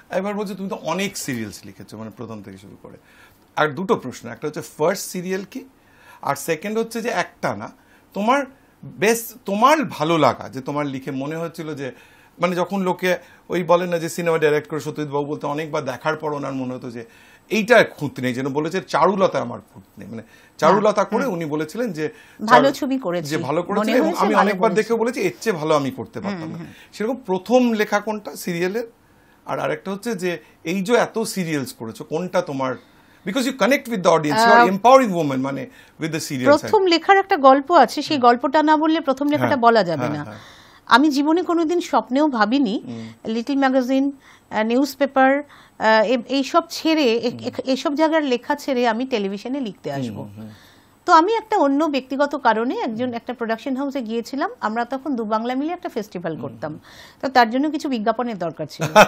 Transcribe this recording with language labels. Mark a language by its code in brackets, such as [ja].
[bn] এবার বলছি তুমি তো অনেক সিরিয়ালস লিখেছো, মানে প্রথম থেকে শুরু করে, আর দুটো প্রশ্ন, একটা হচ্ছে ফার্স্ট সিরিয়াল কি, আর সেকেন্ড হচ্ছে যে একটা না তোমার বেস্ট, তোমার ভালো লাগা যে তোমার লিখে মনে হচ্ছিল যে, মানে যখন লোকে ওই বলে না যে সিনেমা ডাইরেক্ট করে সত্যজিৎবাবু বলতে, অনেকবার দেখার পর ওনার মনে হতো যে এইটা খুঁত নেই, যেন বলেছে চারুলতা আমার খুঁত নেই, মানে চারুলতা করে উনি বলেছিলেন যে ভালো ছবি করেছে, যে ভালো করেছে, এবং আমি অনেকবার দেখে বলেছি এর চেয়ে ভালো আমি করতে পারতাম না, সেরকম প্রথম লেখা কোনটা সিরিয়ালের? আর আরেকটা হচ্ছে যে এই যে এত সিরিয়ালস করেছো, কোনটা তোমার [en] because you connect with the audience, you are empowering women মানে with the serial. [bn] প্রথম লেখার একটা গল্প আছে, সেই গল্পটা না বললে প্রথম লেখাটা বলা যাবে না। আমি জীবনে কোনোদিন স্বপ্নেও ভাবিনি লিটল ম্যাগাজিন নিউজপেপার এই সব ছেড়ে এই সব জায়গার লেখা ছেড়ে আমি টেলিভিশনে লিখতে আসব। তো আমি একটা অন্য ব্যক্তিগত কারণে একজন একটা প্রোডাকশন হাউসে গিয়েছিলাম, আমরা তখন দু বাংলা মিলে একটা ফেস্টিভ্যাল করতাম, তো তার জন্য কিছু বিজ্ঞাপনের দরকার ছিল।